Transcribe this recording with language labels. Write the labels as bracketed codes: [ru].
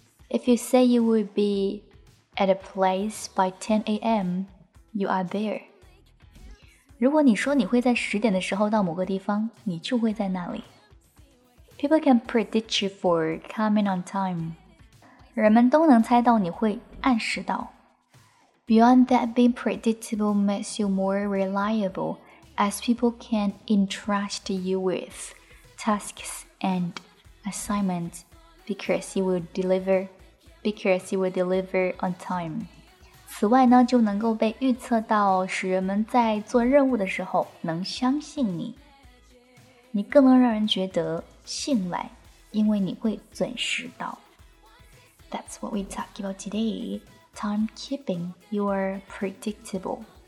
[en] If you say you will be at a place by 10 a.m., you are there. [zh] 如果你说你会在10点的时候到某个地方，你就会在那里。 [en] People can predict you for coming on time. [zh] 人们都能猜到你会按时到。 [en] Beyond that, being predictable makes you more reliable as people can entrust you with tasks and assignments because you will deliver on time. [zh] 此外呢，就能够被预测到，使人们在做任务的时候能相信你。你更能让人觉得信赖，因为你会准时到。 [en] That's what we talk about today. Timekeeping, you are predictable.